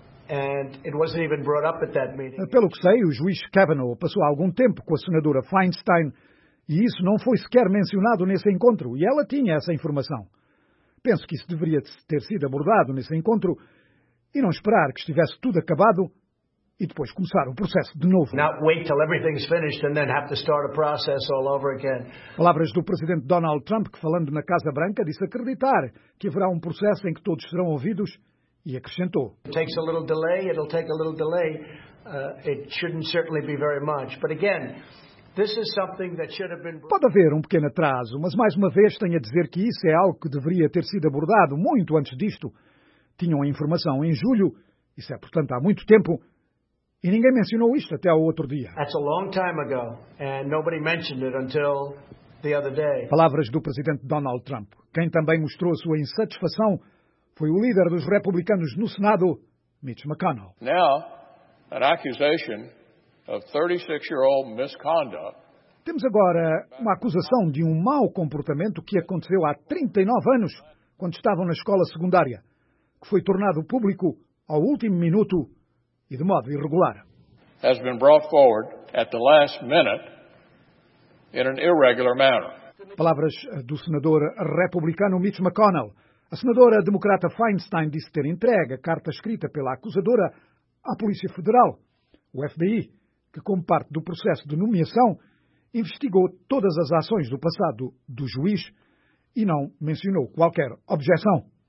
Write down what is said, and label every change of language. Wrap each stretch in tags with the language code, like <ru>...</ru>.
<en>And it wasn't even brought up at that meeting.</en> <pt>Pelo que sei, o juiz Kavanaugh passou algum tempo com a senadora Feinstein e isso não foi sequer mencionado nesse encontro, e ela tinha essa informação. Penso que isso deveria ter sido abordado nesse encontro e não esperar que estivesse tudo acabado e depois começar o processo de novo.</pt> <en>Not wait till everything's finished and then have to start a process all over again.</en> <pt>Palavras do presidente Donald Trump, que falando na Casa Branca disse acreditar que haverá um processo em que todos serão ouvidos. E acrescentou:</pt> <en>it takes a little delay, it'll take a little delay. It shouldn't certainly be very much. But again, this is something that should have been.</en> <pt>Pode haver um pequeno atraso, mas mais uma vez tenho a dizer que isso é algo que deveria ter sido abordado muito antes disto. Tinham a informação em julho, isso é, portanto, há muito tempo, e ninguém mencionou isto até ao outro dia.</pt> <en>That's a long time ago, and nobody mentioned it until the other day.</en> <pt>Palavras do presidente Donald Trump, quem também mostrou a sua insatisfação foi o líder dos republicanos no Senado, Mitch McConnell.</pt> <en>Now, an accusation of 36-year-old misconduct.</en> <pt>Temos agora uma acusação de um mau comportamento que aconteceu há 39 anos, quando estavam na escola secundária, que foi tornado público ao último minuto e de modo irregular.</pt> <en>Has been brought forward at the last minute in an irregular manner.</en> <pt>Palavras do senador republicano Mitch McConnell. A senadora democrata Feinstein disse ter entregue a carta escrita pela acusadora à Polícia Federal, o FBI, que, como parte do processo de nomeação, investigou todas as ações do passado do juiz e não mencionou qualquer objeção.</pt>